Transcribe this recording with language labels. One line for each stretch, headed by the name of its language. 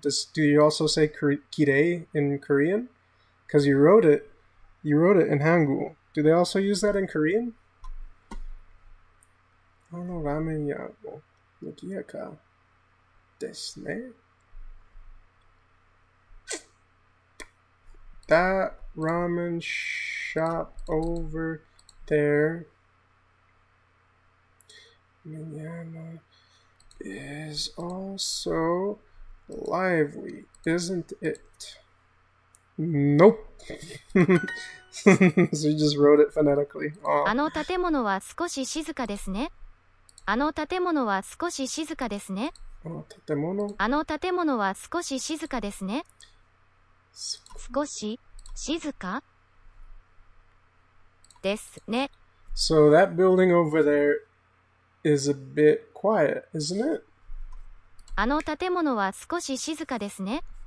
English: Do you also say きれい in Korean? Because you wrote it in Hangul. Do they also use that in Korean?
Japanese: あのラーメン屋もにぎやかですね。
English: That ramen shop over there Minyama is also lively, isn't it? Nope. So you just wrote it phonetically.
Japanese: あの建物は少し静かですね。あの建物は少し静かですね。あの建物。あの建物は少し静かですね。少し。静かですね。
English: So that building over there is a bit quiet, isn't it?
Japanese: あの建物は少し静かですね。